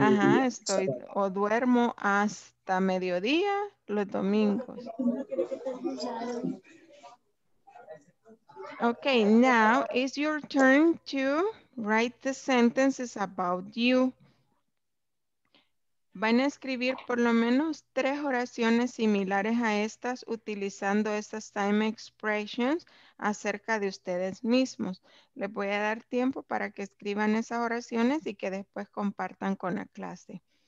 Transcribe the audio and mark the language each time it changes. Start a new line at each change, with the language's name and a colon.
Spanish: Ajá, estoy o duermo hasta mediodía los domingos.
English: Okay, now it's your turn to write the sentences about you.
Spanish: Van a escribir por lo menos tres oraciones similares a estas utilizando estas time expressions acerca de ustedes mismos. Les voy a dar tiempo para que escriban esas oraciones y que después compartan con la clase.